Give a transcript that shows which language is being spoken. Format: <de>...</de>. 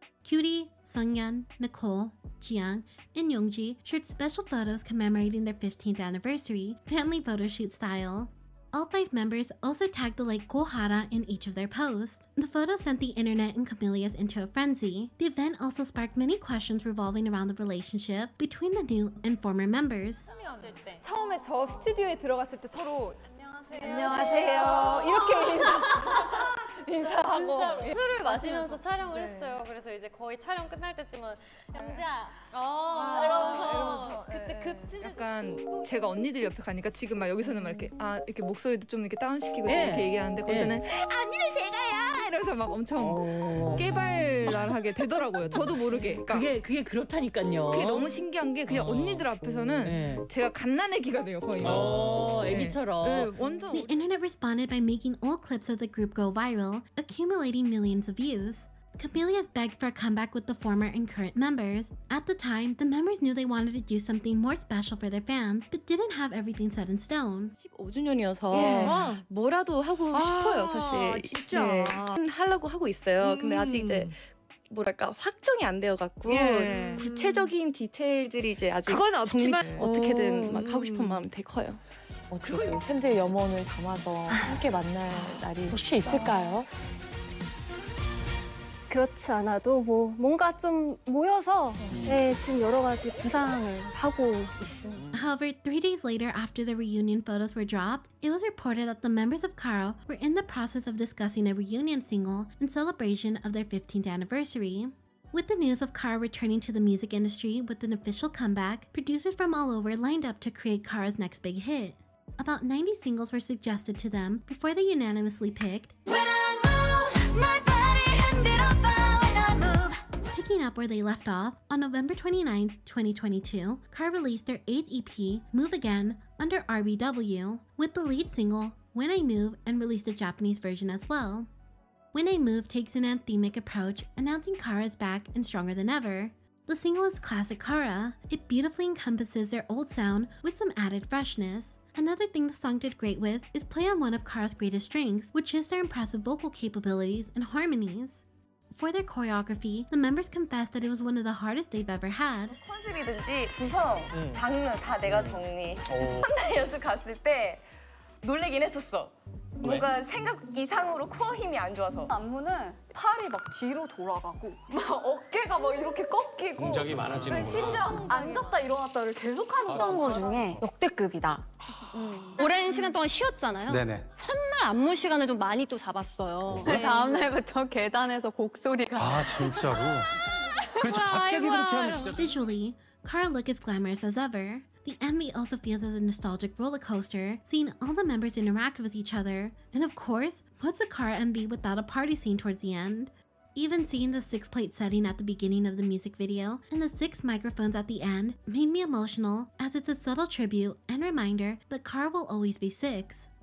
<en>Cutie, Sungyeon, Nicole, Jiang, and Yongji shared special photos commemorating their 15th anniversary, family photoshoot style. All five members also tagged the late Kohara in each of their posts. The photo sent the internet and camellias into a frenzy. The event also sparked many questions revolving around the relationship between the new and former members.</en> <ko>처음에 저 스튜디오에 들어갔을 때 서로 안녕하세요 이렇게 인사하고 술을 마시면서 촬영을 했어요. 그래서 이제 거의 촬영 끝날 때쯤은 영자 그때 급진 약간 제가 언니들 옆에 가니까 지금 막 여기서는 막 이렇게 아 이렇게 목소리도 좀 이렇게 다운시키고 네. 이렇게 얘기하는데 거기서는 네. 언니들 제가요 이러면서 막 엄청 깨발랄하게 되더라고요. 저도 모르게 그러니까 그게 그렇다니까요. 그게 너무 신기한 게 그냥 언니들 앞에서는 네. 제가 갓난애기가 돼요 거의. 애기처럼. 네. 네, 완전</ko> <en>The internet responded by making old clips of the group go viral, accumulating millions of views. Camellias begged for a comeback with the former and current members. At the time, the members knew they wanted to do something more special for their fans, but didn't have everything set in stone.</en> <ko>15주년이어서 yeah. 뭐라도 하고 아, 싶어요, 사실. 진짜. 네. 하려고 하고 있어요. 근데 아직 이제 뭐랄까 확정이 안 되어 갖고 yeah. 구체적인 디테일들이 이제 아직 그건 없지만 정리, 어떻게든 막 하고 싶은 마음 되게 커요. 어떻게 좀 팬들의 염원을 담아서 함께 만날 날이 혹시 있을까요? 그렇지 않아도 뭐 뭔가 좀 모여서 네, 지금 여러 가지 구상을 하고 있습니다.</ko> <en>However, three days later after the reunion photos were dropped, it was reported that the members of KARA were in the process of discussing a reunion single in celebration of their 15th anniversary. With the news of KARA returning to the music industry with an official comeback, producers from all over lined up to create KARA's next big hit. About 90 singles were suggested to them before they unanimously picked When I move, my body ended up when I move. Picking up where they left off, on November 29th, 2022, KARA released their 8th EP, Move Again, under RBW, with the lead single, When I Move, and released a Japanese version as well. When I Move takes an anthemic approach, announcing KARA's back and stronger than ever. The single is classic KARA. It beautifully encompasses their old sound with some added freshness. Another thing the song did great with is play on one of KARA's greatest strengths, which is their impressive vocal capabilities and harmonies. For their choreography, the members confessed that it was one of the hardest they've ever had.</en> <ko>컨셉이든지 구성, 장르 다 내가 정리. 3달 연습 갔을 때 놀래긴 했었어. 뭔가 생각 이상으로 코어 힘이 안 좋아서. 안무는 팔이 막 뒤로 돌아가고 막 어깨가 막 이렇게 꺾이고 동작이 많아지는 심지어 앉았다 일어났다를 계속하는 거 했던 거 중에 역대급이다. 오랜 시간 동안 쉬었잖아요. 네네. 첫날 안무 시간을 좀 많이 또 잡았어요. 네. 다음 날부터 계단에서 곡소리가 아 진짜로? 그렇죠 갑자기 그렇게 하면 진짜</ko> <en>Visually, KARA look as glamorous as ever. The MV also feels as a nostalgic roller coaster, seeing all the members interact with each other. And of course, what's a KARA MV without a party scene towards the end? Even seeing the six plate setting at the beginning of the music video and the six microphones at the end made me emotional, as it's a subtle tribute and reminder that KARA will always be six.</en>